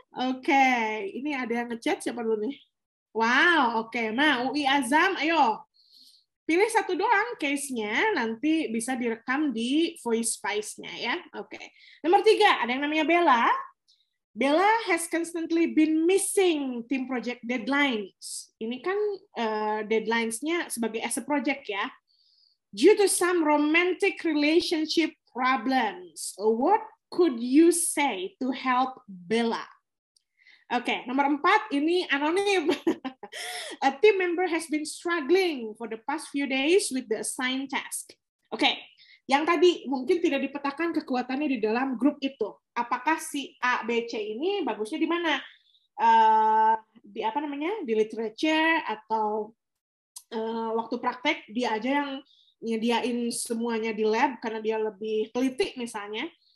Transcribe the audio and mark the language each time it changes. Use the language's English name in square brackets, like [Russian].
[Indonesian] Oke, ini ada yang ngechat siapa dulu nih? Wow, oke. Ma, UI Azam, ayo. Pilih satu doang case-nya, nanti bisa direkam di voice spice-nya ya. Oke. Nomor tiga, ada yang namanya Bella. [English] Bella has constantly been missing team project deadlines. [Indonesian] Ini kan deadlines-nya sebagai [English] as a project [Indonesian] ya. [English] Due to some romantic relationship problems, what could you say to help Bella? [Indonesian] Oke, nomor empat, ini anonim. [English] A team member has been struggling for the past few days with the assigned task. [Indonesian] Oke, yang tadi mungkin tidak dipetakan kekuatannya di dalam grup itu. Apakah si A, B, C ini bagusnya di mana? Di apa namanya? Di literature atau waktu praktek dia aja yang nyediain semuanya di lab karena dia lebih teliti misalnya.